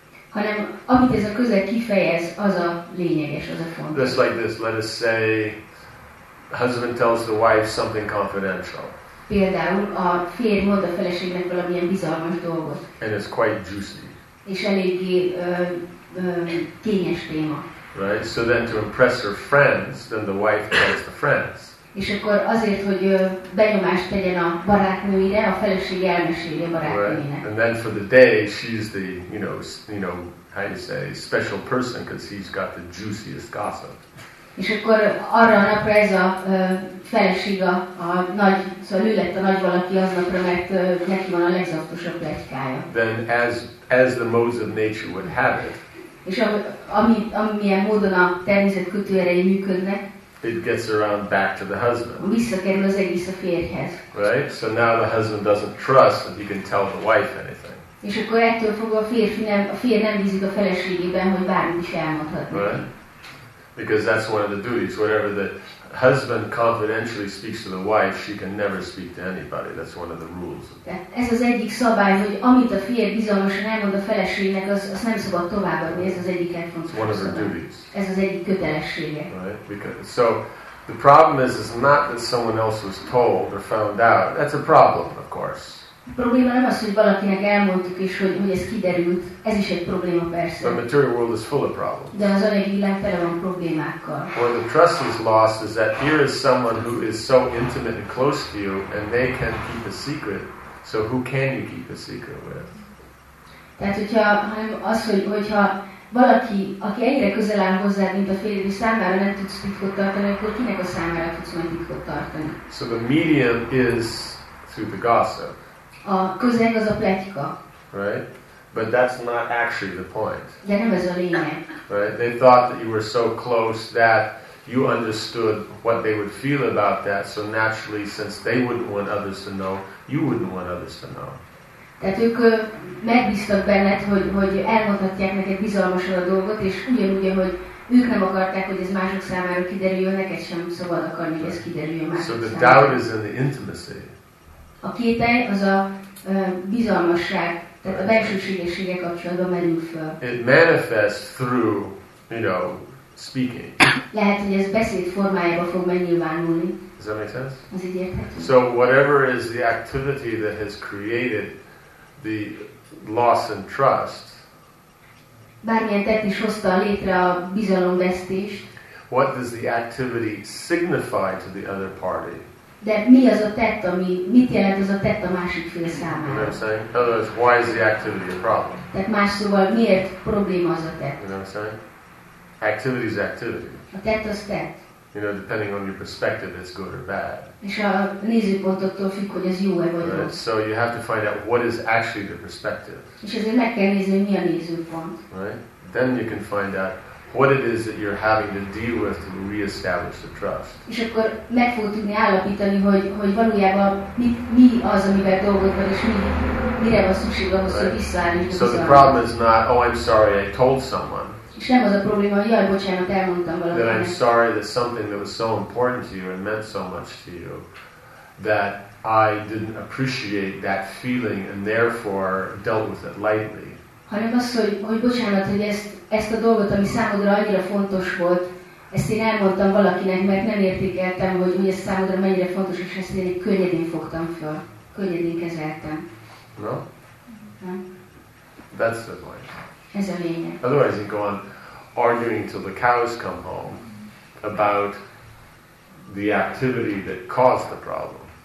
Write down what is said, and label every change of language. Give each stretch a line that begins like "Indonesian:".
Hungarian: Hanem amit ez a közeg kifejez, az a lényeges, az a fontos.
English: Just like this, let us say, husband tells the wife something confidential.
Hungarian: Például a férj mond a feleségnek valamilyen bizalmas dolgot.
English: And it's quite juicy.
Hungarian: És eléggé kényes téma.
English: Right, so then to impress her friends, then the wife tells the friends.
Hungarian: És akkor azért, hogy benyomást tegyen a barátnőire, a feleség elmeséli a barátnőjének.
English: And then for the day, she's the, you know, how you say, special person, because he's got the juiciest gossip.
Hungarian: És akkor arra a napra ez a feleség a nagy, szóval ő lett a nagy valaki aznapra, mert neki van a legzaktosabb pletykája.
English: Then as the modes of nature would have it,
Hungarian: és amilyen módon a természet kötőerei működnek,
English: it gets around back to the husband.
Hungarian: Visszakerül az egész a férjhez.
English: Right? So now the husband doesn't trust that he can tell the wife anything.
Hungarian: És akkor ettől fogva a férj nem bízik a feleségében, hogy bármit is elmondhat.
English: Right? Because that's one of the duties. Whatever the husband confidentially speaks to the wife, she can never speak to anybody. That's one of the rules.
Hungarian: Ez az egyik szabály, hogy amit a férj bizalmasan elmond a feleségnek, az nem szabad továbbadni. Ez az egyik legfontosabb.
English: One of her duties.
Hungarian: Ez az egyik kötelessége.
English: Right? Because, so the problem is not that someone else was told or found out. That's a problem, of course.
Hungarian: A probléma nem az, hogy valakinek elmondtuk, és hogy ez kiderült. Ez is egy probléma, persze.
English: The material world is full of problems.
Hungarian: De az anyagi világ tele van problémákkal.
English: Or the trust is lost is that here is someone who is so intimate and close to you, and they can keep a secret, so who can you keep a secret with?
Hungarian: Tehát, hogyha valaki, aki ennyire közel áll hozzád, mint a férjed, és számára nem tudsz titkot tartani, akkor kinek a számára tudsz majd titkot tartani?
English: So the medium is through the gossip.
Hungarian: A közeg az a pletyka.
English: Right? But that's not actually the point.
Hungarian: De nem ez a lényeg.
English: Right? They thought that you were so close that you understood what they would feel about that, so naturally, since they wouldn't want others to know, you wouldn't want others to know.
Hungarian: Tehát ők megbíztak benned, hogy elmondhatják neked bizalmasan a dolgot, és ugyanúgy, hogy ők nem akarták, hogy ez mások számára kiderüljön, neked sem szabad akarni, hogy ez kiderüljön mások számára.
English: So the doubt is in the intimacy.
Hungarian: A kétel az a bizalmasság, tehát a belsőségessége kapcsolatban merül föl.
English: It manifests through, you know, speaking.
Hungarian: Lehet, hogy ez beszéd formájába fog megnyilvánulni.
English: Does that make sense?
Hungarian: Az így érthető.
English: So whatever is the activity that has created the loss in trust,
Hungarian: bármilyen tett is hozta létre a bizalomvesztést,
English: what does the activity signify to the other party?
Hungarian: De mi az a tett, ami mit jelent az a tett a másik fél számára?
English: You know what I'm saying? Otherwise, why is the activity a problem?
Hungarian: Tehát más szóval, miért probléma az a tett?
English: You know what I'm saying? Activity is activity.
Hungarian: A tett az tett.
English: You know, depending on your perspective, it's good or bad.
Hungarian: És a nézőpontottól függ, hogy ez jó-e vagy rossz.
English: So you have to find out what is actually the perspective.
Hungarian: És ezért meg kell nézni, mi a nézőpont.
English: Right? Then you can find out what it is that you're having to deal with to reestablish the trust.
Hungarian: És akkor meg fogod tudni állapítani, hogy valójában mi az, amivel dolgod van, és mire van szükség ahhoz, hogy visszaállítsd.
English: So the problem is not, oh, I'm sorry, I told someone.
Hungarian: És nem az a probléma, hogy jaj, bocsánat, elmondtam valamit.
English: That I'm sorry that something that was so important to you and meant so much to you, that I didn't appreciate that feeling and therefore dealt with it lightly.
Hungarian: Hanem az, hogy bocsánat, hogy ezt a dolgot, ami számodra annyira fontos volt, ezt én elmondtam valakinek, mert nem értékeltem, hogy ez számodra mennyire fontos, és ezt én könnyedén fogtam föl, könnyedén kezeltem.
English: No? Ha? That's the point.
Hungarian: Ez a lényeg.
English: Otherwise you go on arguing till the cows come home about the activity that caused the problem.